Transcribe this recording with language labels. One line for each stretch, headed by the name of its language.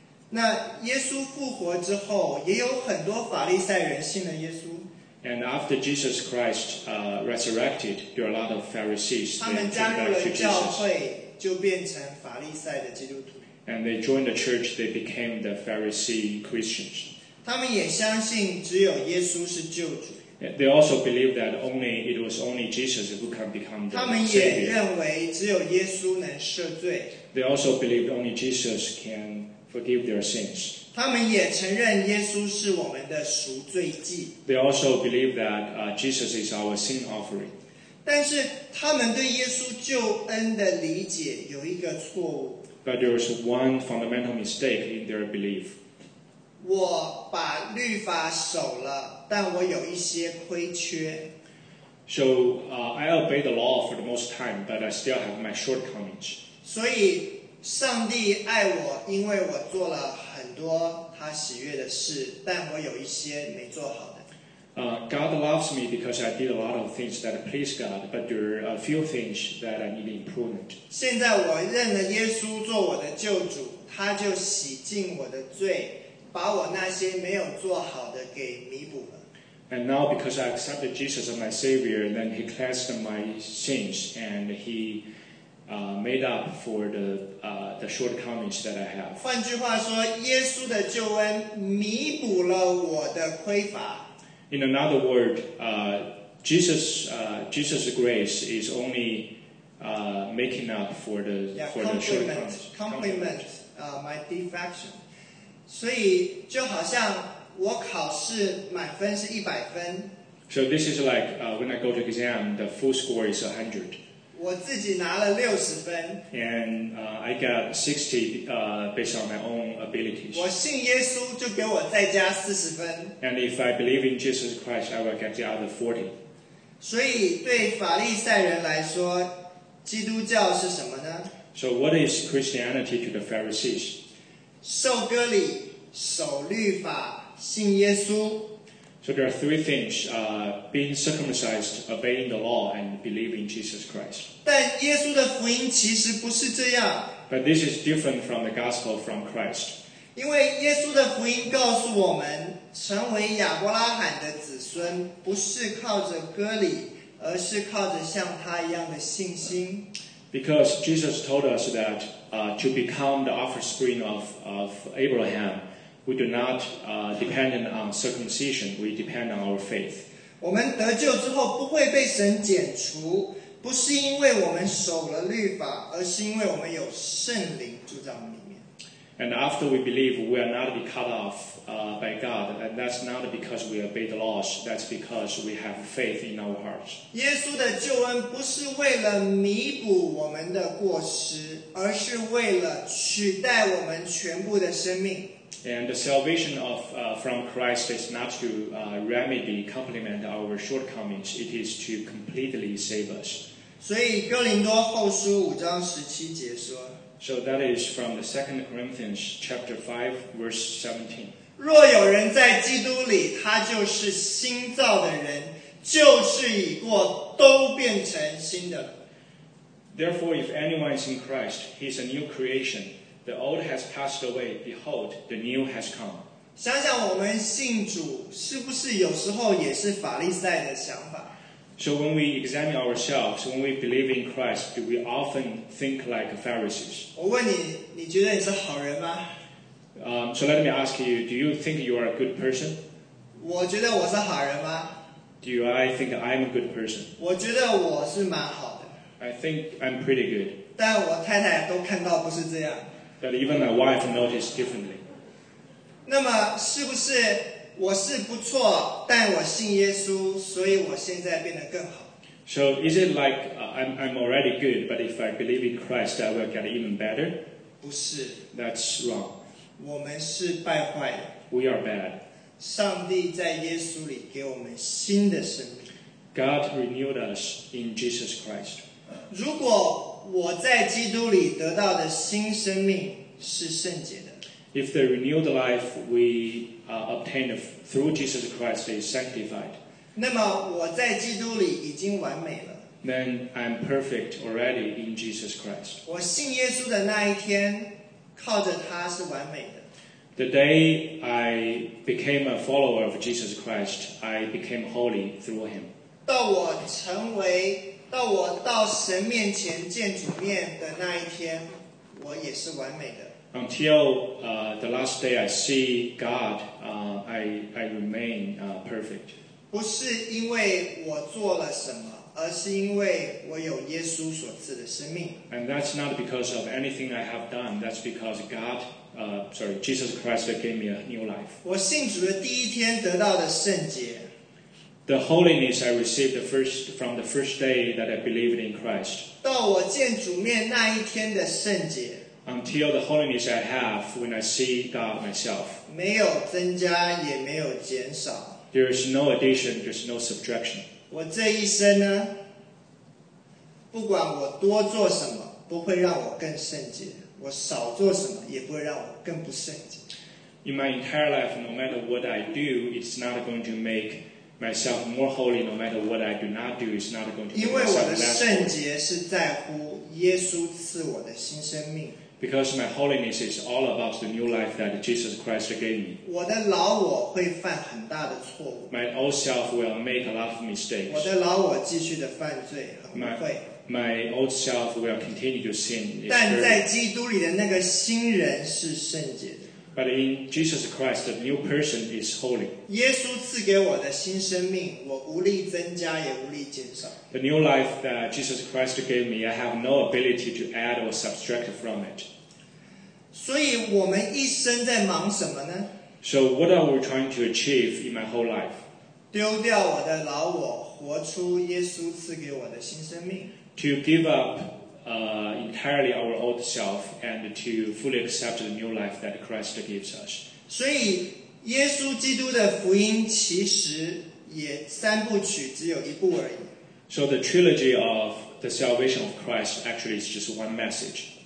Chinese: 那耶稣复活之后，也有很多法利赛人信了耶稣。
English: And after Jesus Christ resurrected, there are a lot of Pharisees.
Chinese: 他们加入了教会，就变成法利赛的基督徒。
English: And they joined the church, they became the Pharisee Christians.
Chinese: 他们也相信只有耶稣是救主。
English: They also believed that it was only Jesus who can become the Savior.
Chinese: 他们也认为只有耶稣能赦罪。
English: They also believed only Jesus can. Forgive their sins.
Chinese: 他们也承认耶稣是我们的赎罪祭。
English: They also believe that Jesus is our sin offering.
Chinese: 但是他们对耶稣救恩的理解有一个错误。
English: But there is one fundamental mistake in their belief.
Chinese: 我把律法守了，但我有一些亏缺。
English: So I obey the law for the most time, but I still have my shortcomings.
Chinese: 所以上帝爱我，因为我做了很多他喜悦的事，但我有一些没做好的。
English: God loves me because I did a lot of things that please God, but there are a few things that I need improvement.
Chinese: 现在我认了耶稣做我的救主，他就洗净我的罪，把我那些没有做好的给弥补了。
English: And now because I accepted Jesus as my Savior, then he cleansed my sins and he... made up for the shortcomings that I have.
Chinese: 换句话说，耶稣的救恩弥补了我的匮乏。
English: In another word, Jesus' grace is only making up for the shortcomings. Compliment my defection.
Chinese: 所以就好像我考试满分是100分。
English: So this is like when I go to exam, the full score is 100.
Chinese: 我自己拿了60分
English: and I got 60 based on my own abilities.
Chinese: 我信耶稣就给我再加40分
English: and if I believe in Jesus Christ, I will get the other 40.
Chinese: 所以对法利赛人来说，基督教是什么呢？
English: So what is Christianity to the Pharisees?
Chinese: 受割礼，守律法，信耶稣。
English: So there are three things, being circumcised, obeying the law, and believing Jesus Christ.
Chinese: 但耶稣的福音其实不是这样。
English: But this is different from the gospel from Christ.
Chinese: 因为耶稣的福音告诉我们，成为亚伯拉罕的子孙，不是靠着割礼，而是靠着像他一样的信心。
English: Because Jesus told us that, to become the offspring of Abraham,We do not, depend on circumcision. We depend on our faith.
Chinese: 我们得救之后不会被神剪除，不是因为我们守了律法，而是因为我们有圣灵住在我们里面。
English: And after we believe, we are not be cut off, by God. And that's not because we obey the laws. That's because we have faith in our hearts.
Chinese: 耶稣的救恩不是为了弥补我们的过失，而是为了取代我们全部的生命。
English: And the salvation of, from Christ is not to, remedy, complement our shortcomings. It is to completely save us.
Chinese: 所以哥林多后书五章十七节说。
English: So that is from the 2 Corinthians chapter 5, verse 17.
Chinese: 若有人在基督里，他就是新造的人，旧事已过，都变成新的。
English: Therefore, if anyone is in Christ, he is a new creation. The old has passed away. Behold, the new has come.
Chinese: 想想我们信主是不是有时候也是法利赛的想法？
English: So when we examine ourselves, when we believe in Christ, do we often think like Pharisees?
Chinese: 我问你，你觉得你是好人吗？
English: So let me ask you, do you think you are a good person?
Chinese: 我觉得我是好人吗？
English: Do I think I'm a good person?
Chinese: 我觉得我是蛮好的。
English: I think I'm pretty good.
Chinese: 但我太太都看到不是这样。
English: That even my wife noticed differently.
Chinese: 那么是不是我是不错，但我信耶稣，所以我现在变得更好？
English: So is it like, I'm already good, but if I believe in Christ, I will get even better?
Chinese: 不是。
English: That's wrong.
Chinese: 我们是败坏的。
English: We are bad.
Chinese: 上帝在耶稣里给我们新的生命。
English: God renewed us in Jesus Christ.
Chinese: 如果我在基督里得到的新生命是圣洁的。
English: If the renewed life we obtained through Jesus Christ is sanctified,
Chinese: 那么我在基督里已经完美了。
English: Then I'm perfect already in Jesus Christ.
Chinese: 我信耶稣的那一天，靠着他是完美的。
English: The day I became a follower of Jesus Christ, I became holy through him.
Chinese: 到我到神面前见主面的那一天，我也是完美的。
English: Until the last day I see God, I remain perfect.
Chinese: 不是因为我做了什么，而是因为我有耶稣所赐的生命。
English: And that's not because of anything I have done. That's because God, Jesus Christ gave me a new life.
Chinese: 我信主的第一天得到的圣洁。
English: The holiness I received from the first day that I believed in Christ.
Chinese: 到我见主面那一天的圣洁。
English: Until the holiness I have when I see God myself.
Chinese: 没有增加，也没有减少。
English: There is no addition, there is no subtraction.
Chinese: 我这一生呢，不管我多做什么，不会让我更圣洁；我少做什么，也不会让我更不圣洁。
English: In my entire life, no matter what I do, it's not going to make myself more holy no matter what I do not do is not going to be satisfied. Because my holiness is all about the new life that Jesus Christ gave me.
Chinese: 我的老我会犯很大的错误。
English: My old self will make a lot of mistakes.
Chinese: 我的老我继续的犯罪，很会。
English: My old self will continue to sin.
Chinese: 但在基督里的那个新人是圣洁的。
English: But in Jesus Christ, the new person is holy.
Chinese: 耶稣赐给我的新生命，我无力增加，也无力减少。
English: The new life that Jesus Christ gave me, I have no ability to add or subtract from it.
Chinese: 所以我们一生在忙什么呢？
English: So what are we trying to achieve in my whole life?
Chinese: 丢掉我的老我，活出耶稣赐给我的新生命。
English: To give up entirely our old self and to fully accept the new life that Christ gives us.
Chinese: 所以耶稣基督的福音其实也三部曲只有一部而已。
English: So the trilogy of the salvation of Christ actually is just one message.